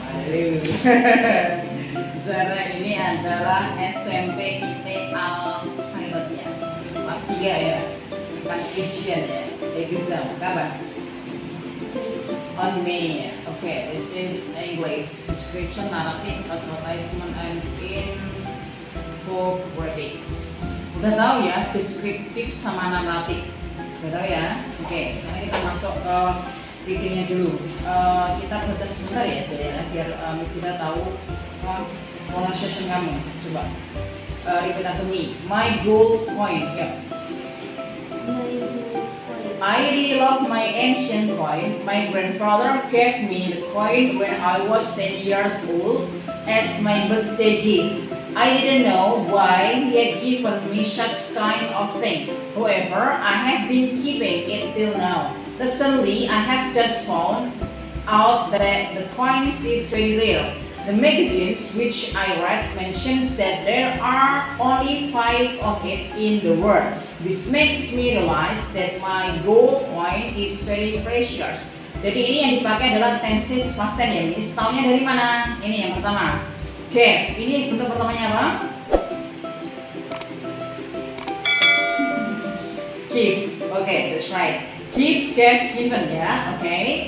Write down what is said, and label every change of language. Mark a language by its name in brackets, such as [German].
[Indonesian] Zara ini adalah SMP kita al pilot ya, kelas 3 ya, bukan ujian ya, exam. Kapan? [English] On May [Indonesian] ya. [English] Okay, this is English description, narrative, advertisement, and info graphics. [Indonesian] Udah tahu ya, deskriptif sama narratif. Udah tahu ya. Okay, sekarang kita masuk ke pikirnya dulu. Kita baca sebentar ya, jadi ya, biar Miss Ida tahu pronunciation kamu. Coba ikut aku nih. [English] My goal point. Yep. My goal point. I really love my ancient coin. My grandfather gave me the coin when I was 10 years old as my birthday gift. I didn't know why he had given me such kind of thing. However, I have been keeping it till now. Recently, I have just found out that the coins is very rare. The magazines which I read mentions that there are only 5 of it in the world. This makes me realize that my gold coin is very precious. [Indonesian] Jadi ini yang dipakai adalah tense past tense ya. Miss, taunya dari mana? Ini yang pertama. Oke, ini bentuk pertamanya apa? [English] Keep. Oke, that's right. Keep, kept, given ya. Oke. Okay.